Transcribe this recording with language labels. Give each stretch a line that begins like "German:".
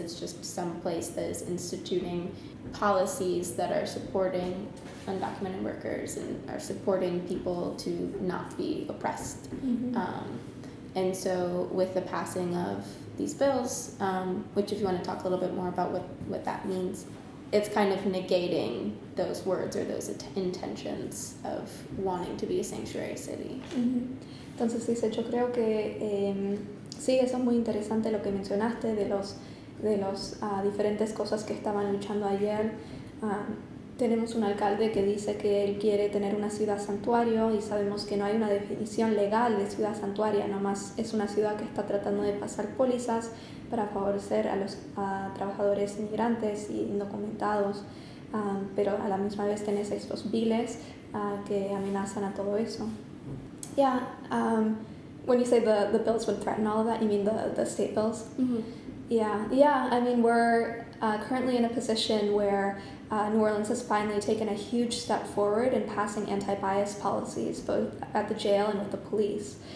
English: It's just some place that is instituting policies that are supporting undocumented workers and are supporting people to not be oppressed. Mm-hmm. And so with the passing of these bills, which if you want to talk a little bit more about what that means, it's kind of negating those words or those intentions of wanting to be a sanctuary city. Mm-hmm.
Spanish: Entonces, yo creo que sí, eso es muy interesante lo que mencionaste de los diferentes cosas que estaban luchando ayer. Tenemos un alcalde que dice que él quiere tener una ciudad santuario, y sabemos que no hay una definición legal de ciudad santuaria, nomás es una ciudad que está tratando de pasar pólizas para favorecer a los trabajadores inmigrantes y indocumentados, pero a la misma vez tenés estos biles que amenazan a todo eso.
English: Yeah, when you say the bills would threaten all of that, you mean the state bills? Mm-hmm. Yeah, I mean, we're currently in a position where New Orleans has finally taken a huge step forward in passing anti-bias policies, both at the jail and with the police.